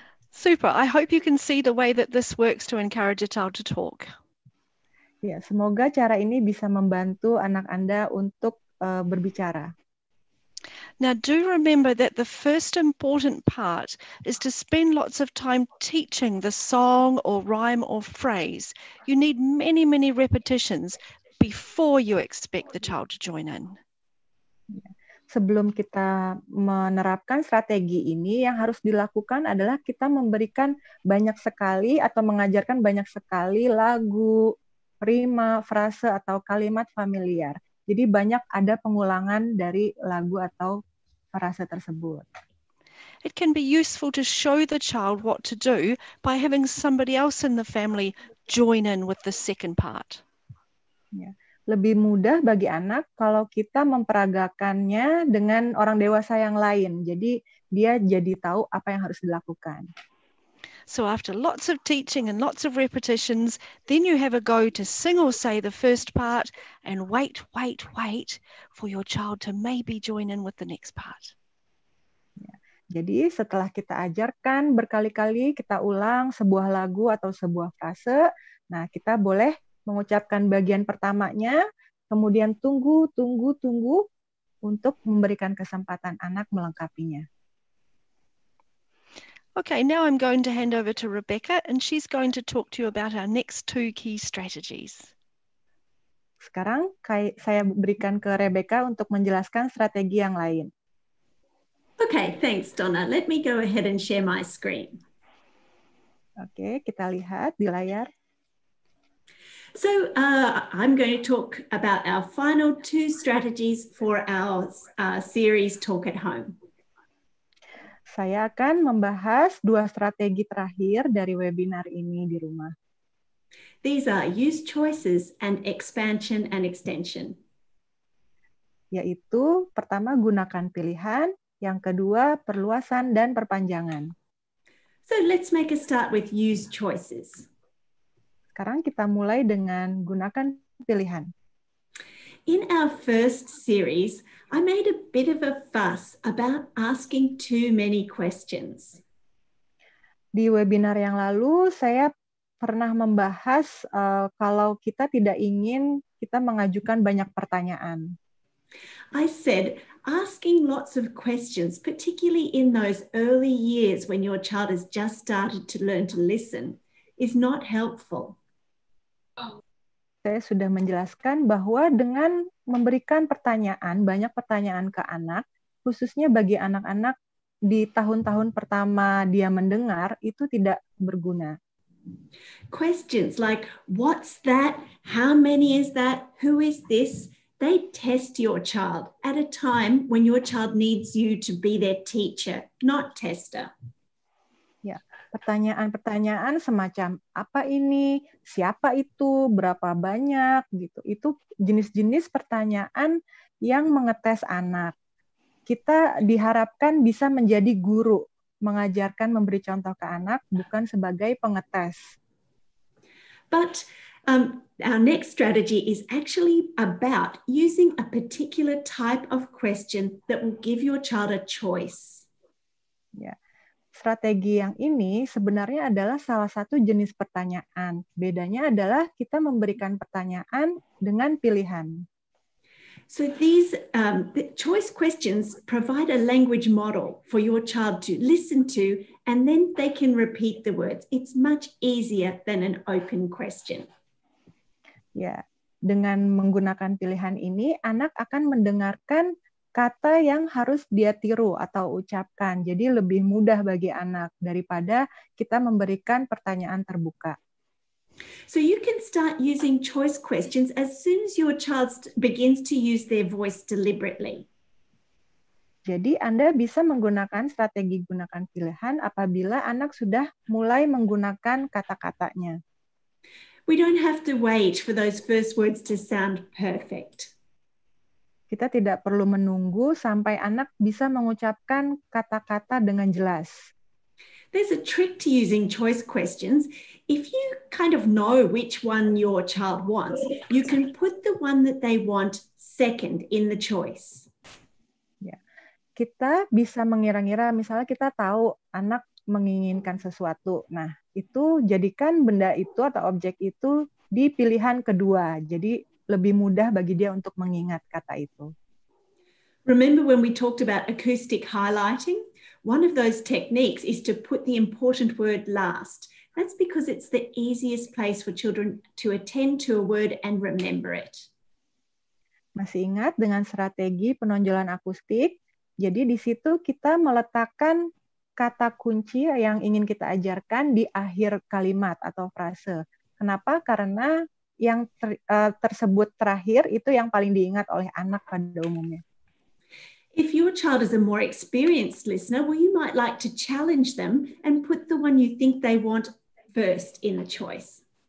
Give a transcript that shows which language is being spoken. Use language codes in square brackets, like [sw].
[en] Super, I hope you can see the way that this works to encourage a child to talk. [id] Ya, semoga cara ini bisa membantu anak Anda untuk berbicara. [en] Now do remember that the first important part is to spend lots of time teaching the song or rhyme or phrase. You need many, many repetitions before you expect the child to join in. [id] Sebelum kita menerapkan strategi ini, yang harus dilakukan adalah kita memberikan banyak sekali atau mengajarkan banyak sekali lagu, rima, frase, atau kalimat familiar. Jadi banyak ada pengulangan dari lagu atau frase tersebut. [en] It can be useful to show the child what to do by having somebody else in the family join in with the second part. [id] Ya, lebih mudah bagi anak kalau kita memperagakannya dengan orang dewasa yang lain. Jadi dia jadi tahu apa yang harus dilakukan. [en] So after lots of teaching and lots of repetitions, then you have a go to sing or say the first part and wait, wait, wait for your child to maybe join in with the next part. [id] Ya. Jadi setelah kita ajarkan berkali-kali, kita ulang sebuah lagu atau sebuah frase, nah kita boleh mengucapkan bagian pertamanya, kemudian tunggu, tunggu, tunggu untuk memberikan kesempatan anak melengkapinya. [en] Okay, now I'm going to hand over to Rebecca and she's going to talk to you about our next two key strategies. [id] Sekarang saya berikan ke Rebecca untuk menjelaskan strategi yang lain. [en] Okay, thanks Donna. Let me go ahead and share my screen. [id] Okay, kita lihat di layar. [en] So I'm going to talk about our final two strategies for our series Talk at Home. [id] Saya akan membahas dua strategi terakhir dari webinar ini di rumah. [en] These are use choices and expansion and extension. [id] Yaitu pertama gunakan pilihan, yang kedua perluasan dan perpanjangan. [en] So let's make a start with use choices. [id] Sekarang kita mulai dengan gunakan pilihan. [en] In our first series, I made a bit of a fuss about asking too many questions. [id] Di webinar yang lalu, saya pernah membahas kalau kita tidak ingin kita mengajukan banyak pertanyaan. [en] I said, asking lots of questions, particularly in those early years when your child has just started to learn to listen, is not helpful. [id] Saya sudah menjelaskan bahwa dengan memberikan pertanyaan, banyak pertanyaan ke anak, khususnya bagi anak-anak di tahun-tahun pertama dia mendengar, itu tidak berguna. [en] Questions like, what's that? How many is that? Who is this? They test your child at a time when your child needs you to be their teacher, not tester. [id] Pertanyaan-pertanyaan semacam apa ini, siapa itu, berapa banyak, gitu. Itu jenis-jenis pertanyaan yang mengetes anak. Kita diharapkan bisa menjadi guru, mengajarkan, memberi contoh ke anak, bukan sebagai pengetes. [en] But our next strategy is actually about using a particular type of question that will give your child a choice. [id] Ya. Strategi yang ini sebenarnya adalah salah satu jenis pertanyaan. Bedanya adalah kita memberikan pertanyaan dengan pilihan. [en] So these the choice questions provide a language model for your child to listen to, and then they can repeat the words. It's much easier than an open question. [id] Ya, dengan menggunakan pilihan ini, anak akan mendengarkan kata yang harus dia tiru atau ucapkan. Jadi lebih mudah bagi anak daripada kita memberikan pertanyaan terbuka. [en] So you can start using choice questions as soon as your child begins to use their voice deliberately. [id] Jadi Anda bisa menggunakan strategi gunakan pilihan apabila anak sudah mulai menggunakan kata-katanya. [en] We don't have to wait for those first words to sound perfect. [id] Kita tidak perlu menunggu sampai anak bisa mengucapkan kata-kata dengan jelas. [en] There's a trick to using choice questions. If you kind of know which one your child wants, you can put the one that they want second in the choice. [id] Ya. Kita bisa mengira-ngira, misalnya kita tahu anak menginginkan sesuatu. Nah, itu jadikan benda itu atau objek itu di pilihan kedua. Jadi lebih mudah bagi dia untuk mengingat kata itu. [en] Remember when we talked about acoustic highlighting? One of those techniques is to put the important word last. That's because it's the easiest place for children to attend to a word and remember it. [id] Masih ingat dengan strategi penonjolan akustik? Jadi di situ kita meletakkan kata kunci yang ingin kita ajarkan di akhir kalimat atau frase. Kenapa? Karena yang tersebut terakhir itu yang paling diingat oleh anak pada umumnya. [en] If your child is a more experienced listener, well, you might like to challenge them and put the one you think they want first in the choice.